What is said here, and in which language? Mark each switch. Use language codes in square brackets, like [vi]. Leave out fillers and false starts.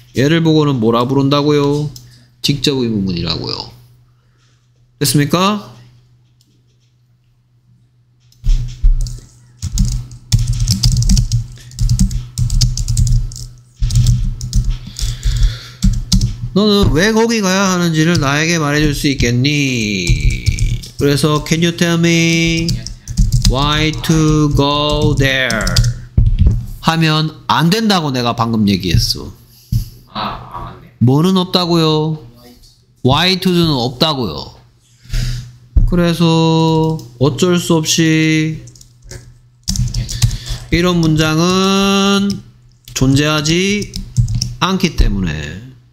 [ko] 얘를 보고는 뭐라 부른다고요? 직접 의문문이라고요. 됐습니까? 너는 왜 거기 가야 하는지를 나에게 말해줄 수 있겠니? 그래서 [en] Can you tell me why to go there? [ko] 하면 안 된다고 내가 방금 얘기했어. 뭐는 없다고요? [en] Why to [ko] 는 없다고요. 그래서 어쩔 수 없이 이런 문장은 존재하지 않기 때문에.